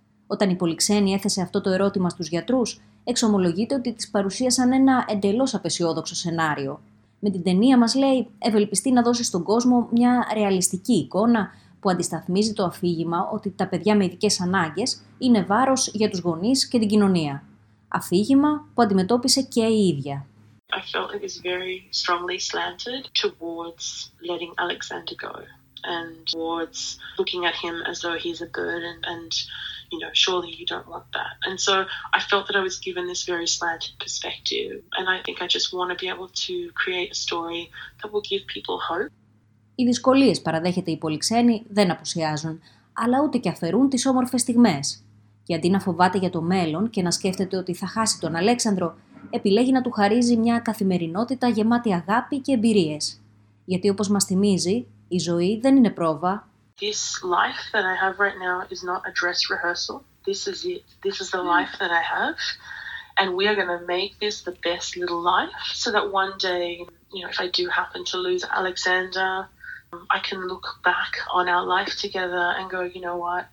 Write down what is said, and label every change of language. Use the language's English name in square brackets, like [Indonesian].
[Greek] Όταν η Πολυξένη έθεσε αυτό το ερώτημα στους γιατρούς, εξομολογείται ότι της παρουσίασαν ένα εντελώς απαισιόδοξο σενάριο. Με την ταινία μας, λέει, ευελπιστεί να δώσει στον κόσμο μια ρεαλιστική εικόνα που αντισταθμίζει το αφήγημα ότι τα παιδιά με ειδικές ανάγκες είναι βάρος για τους γονείς και την κοινωνία. Αφήγημα που αντιμετώπισε και η ίδια. [English] I felt it was very strongly slanted towards letting Alexander go and towards looking at him as though he's a burden and, you know, surely you don't want that. And so I felt that I was given this very slanted perspective, and I think I just want to be able to create a story that will give people hope. [Greek] Οι δυσκολίες, παραδέχεται η πολυξένη, δεν απουσιάζουν, αλλά ούτε και αφαιρούν τις όμορφες στιγμές. Και αντί να φοβάται για το μέλλον και να σκέφτεται ότι θα χάσει τον Αλέξανδρο, επιλέγει να του χαρίζει μια καθημερινότητα γεμάτη αγάπη και εμπειρίες. Γιατί όπως μας θυμίζει, η ζωή δεν είναι πρόβα. [English] This life that I have right now is not a dress rehearsal. This is it. This is the life that I have. And we are going to make this the best little life so that one day, you know, if I do happen to lose Alexander, I can look back on our life together and go, you know what?